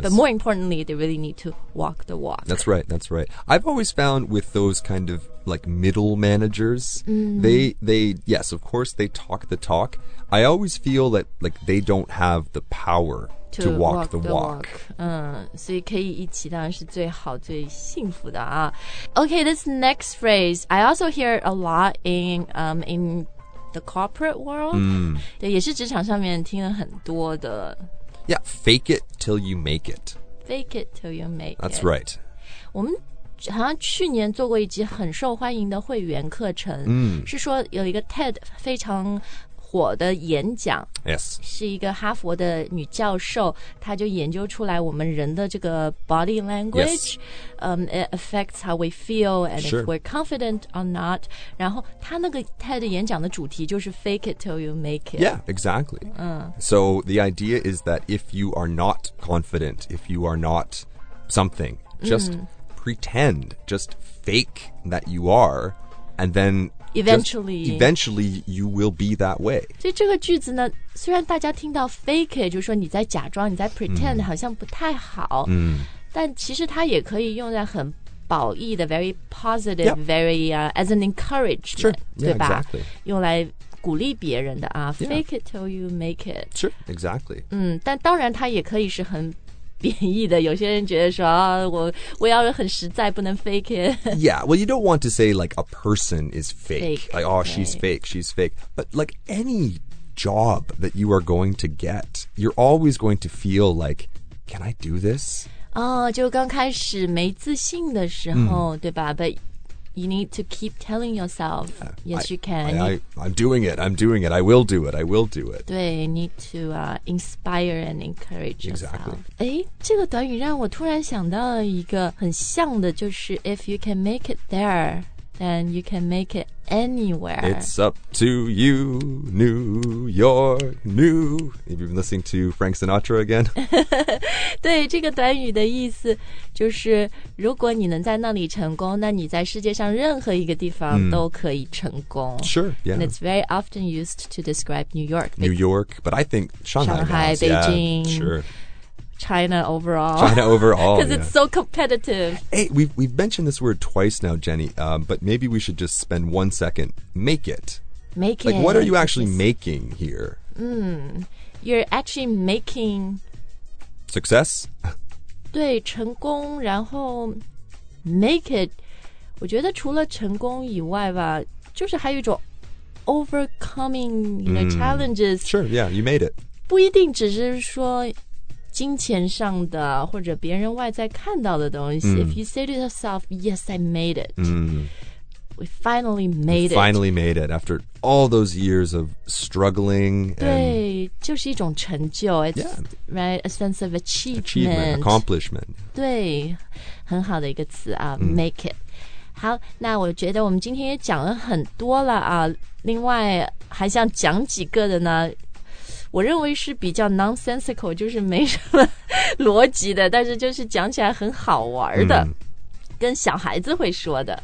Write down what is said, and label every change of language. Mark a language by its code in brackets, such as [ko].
[en] but more importantly they really need to walk the walk that's right I've always found with those kind of like middle managers、they yes of course they talk the talk I always feel that like they don't have the powerTo walk the walk. [zh] 所以可以一起当然是最好最幸福的啊。 [en] Okay, this next phrase, I also hear a lot in the corporate world. [zh] 对，也是职场上面听了很多的。 [en] Yeah, fake it till you make it. Fake it till you make it. That's right. [zh] 我们好像去年做过一集很受欢迎的会员课程，是说有一个 TED 非常火的演讲、 [en] yes. [zh] 是一个哈佛的女教授她就研究出来我们人的这个 body language、 [en] yes. It affects how we feel and、 sure. if we're confident or not [zh] 然后她那个 TED 演讲的主题就是 [en] fake it till you make it Yeah, exactly、So the idea is that if you are not confident if you are not something just、pretend just fake that you are and thenEventually, you will be that way. [zh] 所以这个句子呢，虽然大家听到 [en] fake it, [zh] 就是说你在假装，你在 pretend, 好像不太好。但其实它也可以用在很褒义的 [en] very positive, as an encouragement, sure, [zh] 对吧 [en] yeah, exactly. [zh] 用来鼓励别人的啊 [en] fake it till you make it. Sure, exactly. [zh] 但当然它也可以是很贬义的，有些人觉得说、我要很实在，不能 [en] fake it. Yeah, well, you don't want to say like a person is fake. Like, oh, she's fake, she's fake. But like any job that you are going to get, you're always going to feel like, can I do this? [zh] 就刚开始没自信的时候，对吧？ [en] But you need to keep telling yourself, yes, you can. I'm doing it. I will do it. 对 need to inspire and encourage yourself. Exactly. [zh] 这个短语让我突然想到了一个很像的就是 [en] if you can make it there, then you can make it anywhere. It's up to you, New York, new. Have you been listening to Frank Sinatra again? [zh] 对这个短语的意思就是如果你能在那里成功那你在世界上任何一个地方都可以成功。 [en] Sure, yeah. And it's very often used to describe New York. New York, but I think Shanghai. Shanghai, Beijing. Yeah, sure. China overall. China overall, because it's so competitive. Hey, we've mentioned this word twice now, Jenny, but maybe we should just spend 1 second. Make it. Make it. Like, what are you actually making here? You're actually making... Success? [zh] 对，成功，然后 make it. 我觉得除了成功以外吧，就是还有一种 [en] overcoming the challenges. Sure, yeah, you made it. [zh] 不一定只是说金钱上的或者别人外在看到的东西。 [en] If you say to yourself, yes, I made it. We finally made it. Finally made it after all those years of struggling. [zh] 对，就是一种成就。 [en] It's right, a sense of achievement. Accomplishment. [zh] 对，很好的一个词啊，make it. 好，那我觉得我们今天也讲了很多了啊。另外还想讲几个的呢，我认为是比较 nonsensical， 就是没什么逻辑的，但是就是讲起来很好玩的，跟小孩子会说的。